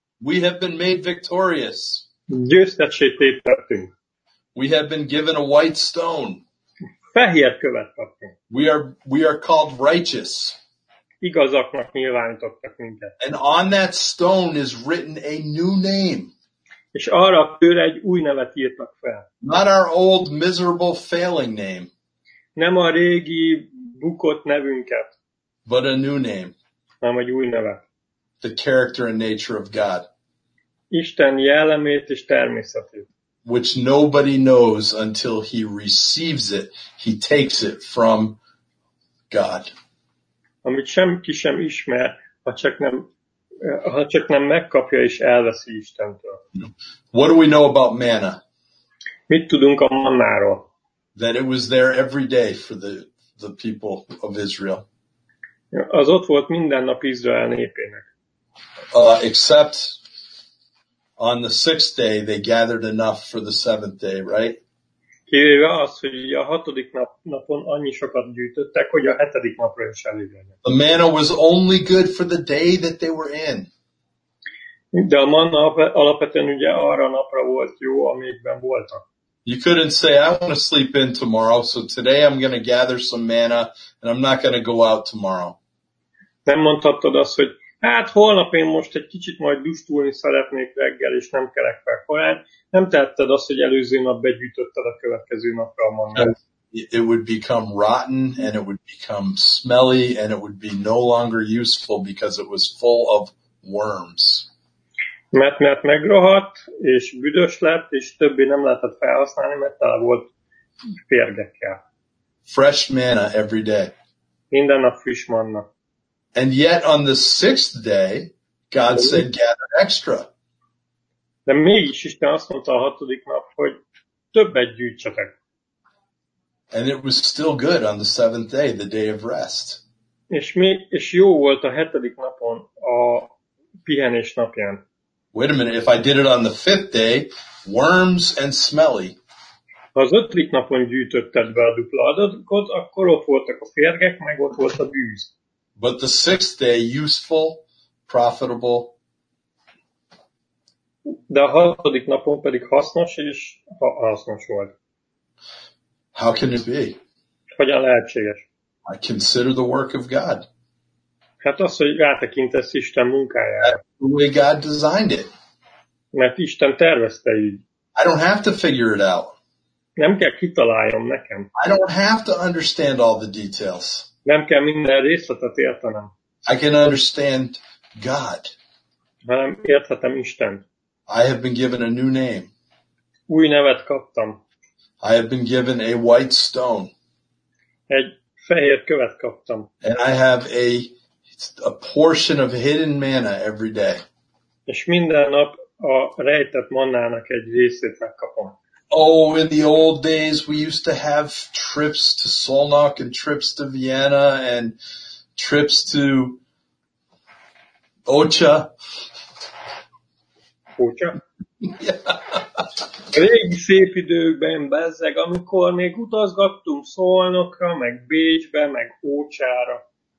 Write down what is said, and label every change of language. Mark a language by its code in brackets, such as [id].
[en] We have been made victorious. [hu] Győztessét tettünk. [en] We have been given a white stone. [hu] Fehér követ kaptunk. [en] We are called righteous. [hu] Igazaknak nyilvánítottak minket. [en] And on that stone is written a new name. [hu] És arra a kőre egy új nevet írtak fel. [en] Not our old miserable failing name. [hu] Nem a régi bukott nevünket. [en] But a new name. [hu] Hanem egy új nevet. [en] The character and nature of God. [hu] Isten jellemét és természetét. [en] Which nobody knows until he receives it. He takes it from God. [hu] Amit senki sem ismer, ha csak nem megkapja és elveszi Istentől. [en] What do we know about manna? [hu] Mit tudunk a mannáról? [en] That it was there every day for the people of Israel. [hu] Az ott volt minden nap Izrael népének. [en] Except on the sixth day they gathered enough for the seventh day, right? [hu] Kivéve az, hogy a hatodik napon annyi sokat gyűjtöttek, hogy a hetedik napra is elégedett. [en] The manna was only good for the day that they were in. [hu] De a manna alapvetően ugye arra napra volt jó, amikben voltak. [en] You couldn't say, I want to sleep in tomorrow, so today I'm going to gather some manna, and I'm not going to go out tomorrow. [hu] Nem mondhattad azt, hogy hát holnap én most egy kicsit majd dustulni szeretnék reggel, és nem kelek fel korán. Nem tetted azt, hogy előző nap begyűjtötted a következő napra a mannát. [en] It would become rotten, and it would become smelly, and it would be no longer useful, because it was full of worms. [hu] Mert megrohadt, és büdös lett, és többé nem lehetett felhasználni, mert tele volt férgekkel. [en] Fresh manna every day. [hu] Minden nap friss manna. [en] And yet on the sixth day, God said, gather extra. [hu] De mégis Isten azt mondta a hatodik nap, hogy többet gyűjtsetek. [en] And it was still good on the seventh day, the day of rest. [hu] És jó volt a hetedik napon, a pihenés napján. [en] Wait a minute, if I did it on the fifth day, worms and smelly. [hu] Az ötödik napon gyűjtötted be a dupla adagot, akkor ott voltak a férgek, meg ott volt a bűz. [en] But the sixth day, useful, profitable. [hu] De a hatodik napon pedig hasznos és hasznos volt. [en] How can it be? [hu] Hogyan lehetséges? [en] I consider the work of God. [hu] Hát az, hogy rátekintesz Isten munkájára. [en] The way God designed it. [hu] Mert Isten tervezte így. [en] I don't have to figure it out. [hu] Nem kell kitaláljam nekem. [en] I don't have to understand all the details. [hu] Nem kell minden részletet értenem. [en] I can understand God. [hu] Hanem érthetem Istent. [en] I have been given a new name. [hu] Új nevet kaptam. [en] I have been given a white stone. [hu] Egy fehér követ kaptam. [en] And I have a portion of hidden manna every day. [hu] És minden nap a rejtett mannának egy részét megkapom. [en] Oh, in the old days we used to have trips to Szolnok and trips to Vienna and trips to Ocha. Ocha? Yeah. [hu] Régi szép időkben, bezzeg, amikor még utazgattunk Szolnokra, meg Bécsbe, meg Ócsára.